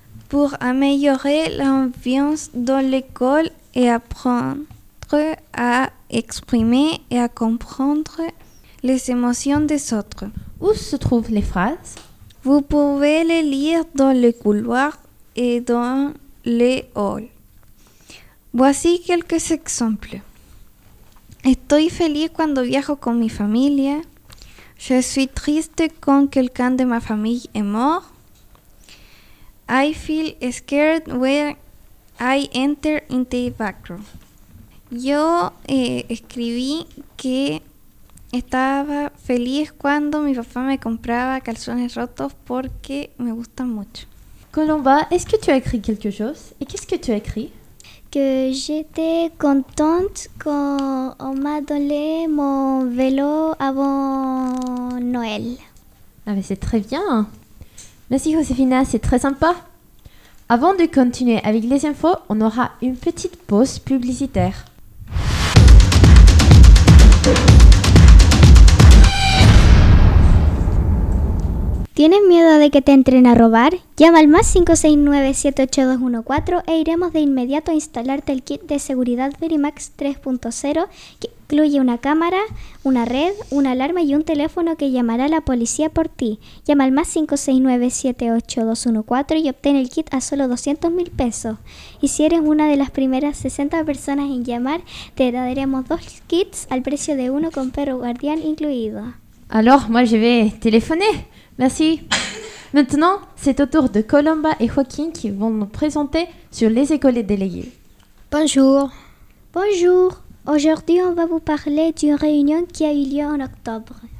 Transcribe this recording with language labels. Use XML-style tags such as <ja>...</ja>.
<fr>Pour améliorer l'ambiance dans l'école et apprendre à exprimer et à comprendre les émotions des autres. Où se trouvent les phrases? Vous pouvez les lire dans le couloir et dans les halls. Voici quelques exemples.</fr> <es>Estoy feliz cuando viajo con mi familia.</es> <fr>Je suis triste quand quelqu'un de ma famille est mort.</fr> <en>I feel scared when I enter in the bathroom.</en> <es>Yo escribí que estaba feliz cuando mi papá me compraba calzones rotos porque me gustan mucho.</es> <fr>Colomba, est-ce que tu as écrit quelque chose? Et qu'est-ce que tu as écrit? Que j'étais contente quand on m'a donné mon vélo avant Noël. Ah mais c'est très bien. Merci Josefina, c'est très sympa. Avant de continuer avec les infos, on aura une petite pause publicitaire.</fr> <es>¿Tienes miedo de que te entren a robar? Llama al más 569-78214 e iremos de inmediato a instalarte el kit de seguridad Verimax 3.0 que incluye una cámara, una red, una alarma y un teléfono que llamará a la policía por ti. Llama al más 569-78214 y obtén el kit a solo 200.000 pesos. Y si eres una de las primeras 60 personas en llamar, te daremos dos kits al precio de uno con perro guardián incluido.</es> <fr>Alors, moi je vais téléphoner. Merci. Maintenant, c'est au tour de Colomba et Joaquin qui vont nous présenter sur les écoles déléguées. Bonjour. Bonjour. Aujourd'hui, on va vous parler d'une réunion qui a eu lieu en octobre.</fr>